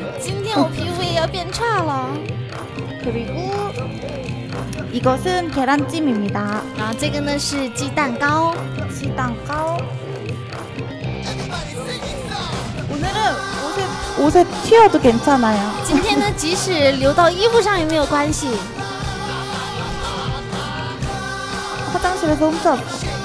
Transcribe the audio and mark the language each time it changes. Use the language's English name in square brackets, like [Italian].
[Chinese] 今天我皮肤也要变差了 [Korean] 그리고이것은계란찜입니다 [Chinese] 然后这个呢是鸡蛋糕鸡蛋糕 [Korean] 오늘은옷에튀어도괜찮아요 [Chinese] 今天呢即使流到衣服上也没有关系 [Korean] 화장실에서훔쳐왔어